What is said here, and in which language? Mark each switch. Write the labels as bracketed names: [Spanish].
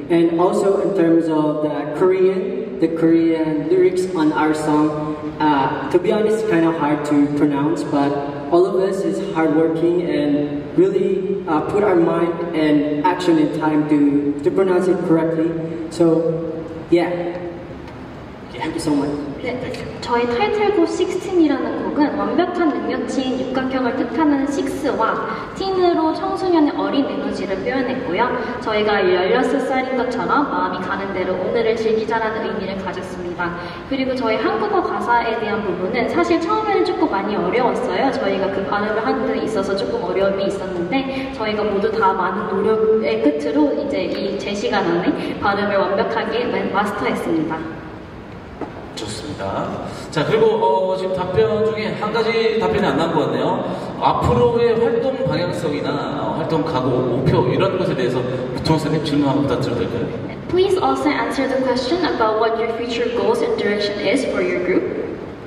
[English] And also in terms of the Korean lyrics on our song, to be honest, it's kind of hard to pronounce, but all of us is hardworking and really put our mind and action and time to pronounce it correctly. So, yeah. Thank you so much. [Korean] 네, 저희 타이틀곡 16이라는 곡은 완벽한 능력치인 육각형을 뜻하는 6와 틴으로 청소년의 어린 에너지를 표현했고요. 저희가 16살인 것처럼 마음이 가는 대로 오늘을 즐기자라는 의미를 가졌습니다. 그리고 저희 한국어 가사에 대한 부분은 사실 처음에는 조금 많이 어려웠어요. 저희가 그 발음을 하는 데 있어서 조금 어려움이 있었는데 저희가 모두 다 많은 노력의 끝으로 이제 이 제시가 나의 발음을 완벽하게 마스터했습니다. 좋습니다. 자, 그리고 지금 답변 중에 한 가지 답변이 안 나온 것 같네요. 앞으로의 활동 방향성이나 활동 각오, 목표 이런 것에 대해서 부통령 선생님 질문 한번 부탁드려도 될까요? [English] Please also answer the question about what your future goals and direction is for your group.